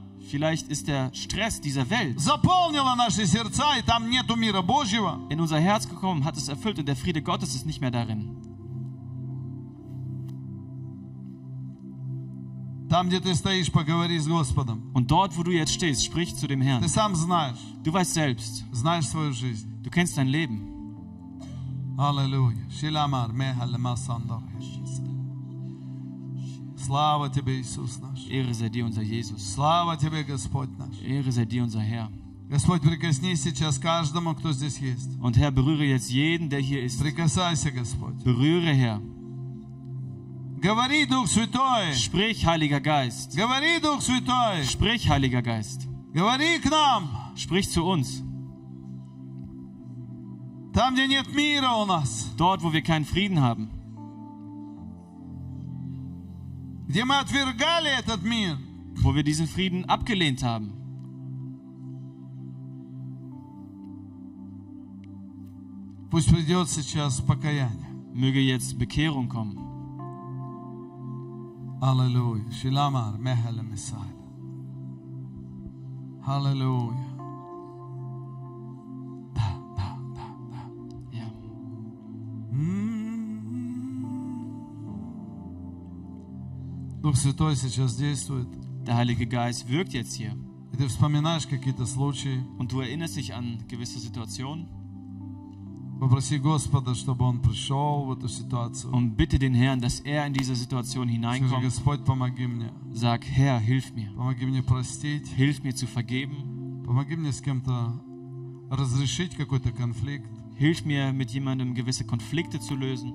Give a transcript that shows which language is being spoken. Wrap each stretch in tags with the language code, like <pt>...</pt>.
<de>Vielleicht ist der Stress dieser Welt in unser Herz gekommen, hat es erfüllt und der Friede Gottes ist nicht mehr darin.</de> <ru>Там, где ты стоишь, поговори с Господом.</ru> <de>Und dort, wo du jetzt stehst, sprich zu dem Herrn.</de> <ru>Ты сам знаешь.</ru> <de>Du weißt selbst.</de> <ru>Знаешь свою жизнь.</ru> <de>Du kennst dein Leben. Аллилуйя. Шиламар, мехалема сандар.</de> <ru>Слава тебе, Иисус наш.</ru> <de>Ehre sei dir, unser Jesus.</de> <ru>Слава тебе, Господь наш.</ru> <de>Ehre sei dir, unser Herr.</de> <ru>Господь, прикоснись сейчас каждому, кто здесь есть.</ru> <de>Und Herr, berühre jetzt jeden, der hier ist.</de> <ru>Прикасайся, Господь.</ru> <de>Berühre, Herr.</de> <ru>Говори, Дух Святой.</ru> <de>Sprich, Heiliger Geist.</de> <ru>Говори, Дух Святой.</ru> <de>Sprich, Heiliger Geist.</de> <ru>Говори к нам.</ru> <de>Sprich zu uns.</de> <ru>Там, где нет мира у нас.</ru> <de>Dort, wo wir keinen Frieden haben.</de> <ru>Где мы отвергали этот мир.</ru> <de>Wo wir diesen Frieden abgelehnt haben.</de> <ru>Пусть придет сейчас покаяние.</ru> <de>Möge jetzt Bekehrung kommen. Halleluja. Shilamar mehele misaila. Halleluja.</de> <ru>Da.</ru> <de>Ja.</de> <ru>Дух Святой сейчас действует.</ru> <de>Der Heilige Geist wirkt jetzt hier.</de> <ru>И ты вспоминаешь какие-то случаи.</ru> <de>Und du erinnerst dich an gewisse Situationen.</de> <ru>Попроси Господа, чтобы Он пришел в эту ситуацию.</ru> <de>Und bitte den Herrn, dass in diese Situation hineinkommt.</de> <ru>Скажи, Господь, помоги мне.</ru> <de>Sag, Herr, hilf mir.</de> <ru>Помоги мне простить.</ru> <de>Hilf mir zu vergeben.</de> <ru>Помоги мне с кем-то разрешить какой-то конфликт.</ru> <de>Hilf mir, mit jemandem gewisse Konflikte zu lösen.</de>